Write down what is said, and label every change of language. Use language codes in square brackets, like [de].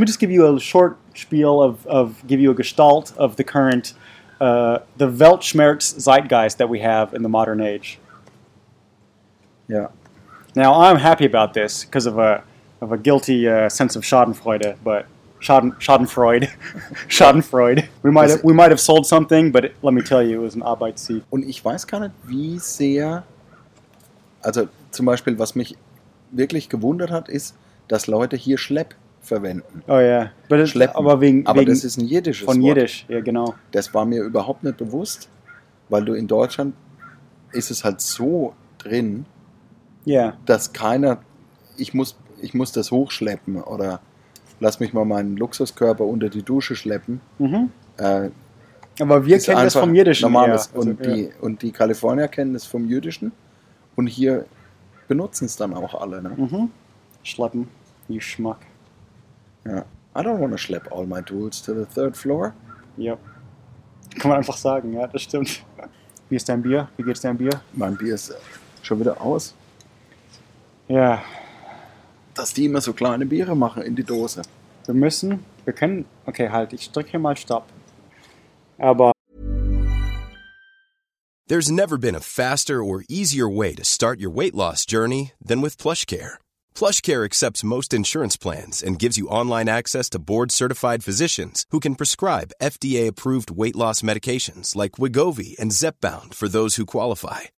[en] Let me give you a gestalt of the current the Weltschmerz Zeitgeist that we have in the modern age. Yeah. Now I'm happy about this because of a guilty sense of Schadenfreude, but Schadenfreude. Schadenfreude. We might have sold something, but let me tell you, it was an Arbeitssieg. [de] Und ich weiß gar nicht, wie sehr, also zum Beispiel, was mich wirklich gewundert hat, ist, dass Leute hier Schlepp verwenden. Oh ja, yeah. Aber wegen... Aber wegen das ist ein jiddisches von Wort. Von Jiddisch, ja, yeah, genau. Das war mir überhaupt nicht bewusst, weil du in Deutschland, ist es halt so drin, yeah, dass keiner, ich muss das hochschleppen oder... Lass mich mal meinen Luxuskörper unter die Dusche schleppen. Mhm. Aber wir kennen das vom Jüdischen. Normales. Ja. Also, und, ja. Und die Kalifornier kennen das vom Jüdischen. Und hier benutzen es dann auch alle. Ne? Mhm. Schleppen. [en] You schmuck. [de] Ja. [en] I don't want to schlepp all my tools to the third floor. [de] Ja. Kann man einfach sagen, ja, das stimmt. Wie ist dein Bier? Wie geht's deinem Bier? Mein Bier ist schon wieder aus. Ja. Dass die immer so kleine Biere machen in die Dose. Wir können, okay, halt, ich drücke hier mal Stopp. Aber. [en] There's never been a faster or easier way to start your weight loss journey than with PlushCare. PlushCare accepts most insurance plans and gives you online access to board-certified physicians who can prescribe FDA-approved weight loss medications like Wegovy and Zepbound for those who qualify.